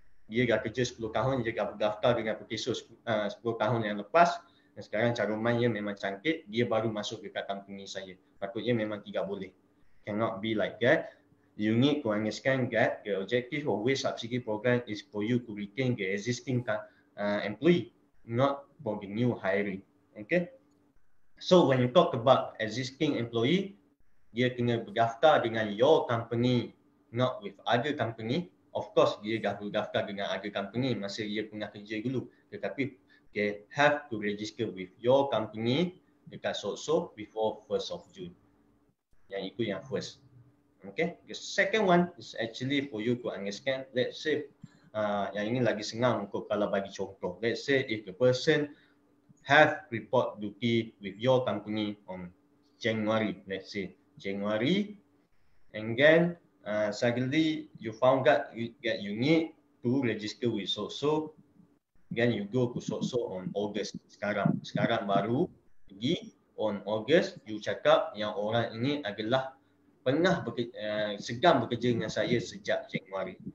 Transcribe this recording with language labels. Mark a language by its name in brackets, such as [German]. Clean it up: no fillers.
[Malay] Dia dah kerja 10 tahun, dia dah berdaftar dengan pekerja 10 tahun yang lepas dan sekarang caruman dia memang cantik, dia baru masuk dekat company saya. Patutnya memang tidak boleh. [English] Cannot be like that. You need to understand that the objective of wage subsidy program is for you to retain the existing employee, not for the new hiring. Okay? So when you talk about existing employee, [Malay] dia kena berdaftar dengan [English] your company, not with other company. Of course, [Malay] dia dah berdaftar dengan [English] other company [Malay] masa dia pernah kerja dulu. Tetapi, [English] they have to register with your company dekat SOSO before 1st of June. [Malay] Yang itu yang [English] first. Okay, the second one is actually for you to understand. Let's say, [Malay] yang ini lagi senang untuk kalau bagi contoh. [English] Let's say if the person have report duty with your company on January, let's say January, and then suddenly you found out that you need to register with SOSO, then you go to SOSO on August. [Malay] Sekarang baru pergi [English] on August, [Malay] you cakap yang orang ini adalah pernah segan bekerja dengan saya sejak Januari.